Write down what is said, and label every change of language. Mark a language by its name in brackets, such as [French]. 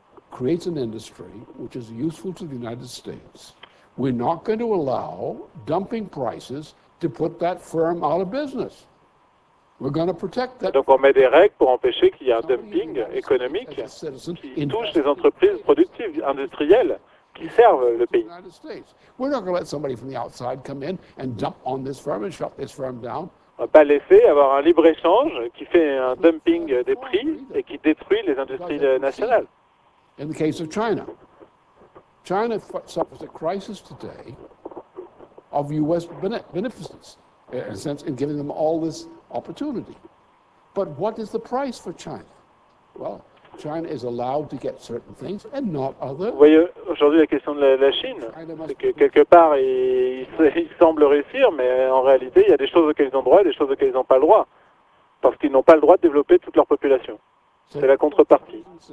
[English] Creates an industry which is useful to the United States. We're not going to allow dumping prices to put that firm out of business. We're going to protect that. [French] Donc on met des règles pour empêcher qu'il y ait un dumping économique qui touche les entreprises productives industrielles qui servent le pays. [English] We're not going to let somebody from the outside come in and dump on this firm and shut this firm down. [French] On ne va pas laisser avoir un libre-échange qui fait un dumping des prix et qui détruit les industries nationales. [English] In the case of China, China suffers a crisis today of U.S. beneficence, in a sense, in giving them all this opportunity. But what is the price for China? Well, China is allowed to get certain things and not others. [French] Vous voyez, aujourd'hui, la question de la Chine, c'est que quelque part, ils semblent réussir, mais en réalité, il y a des choses auxquelles ils ont droit et des choses auxquelles ils n'ont pas le droit, parce qu'ils n'ont pas le droit de développer toute leur population. C'est la contrepartie.